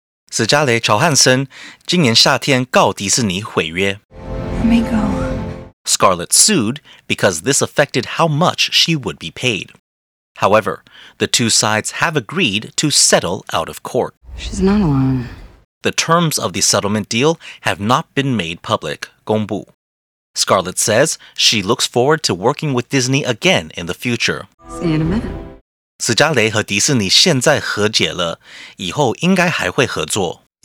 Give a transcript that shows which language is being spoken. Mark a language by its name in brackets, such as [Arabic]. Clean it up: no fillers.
[Chinese] 斯嘉蕾·乔汉森今年夏天告迪士尼毁约。 [English] Let me go. Scarlett sued because this affected how much she would be paid. However, the two sides have agreed to settle out of court. She's not alone. The terms of the settlement deal have not been made public, 公布。 Scarlett says she looks forward to working with Disney again in the future. See you in a minute. [Chinese] 斯嘉蕾和迪士尼现在和解了，以后应该还会合作。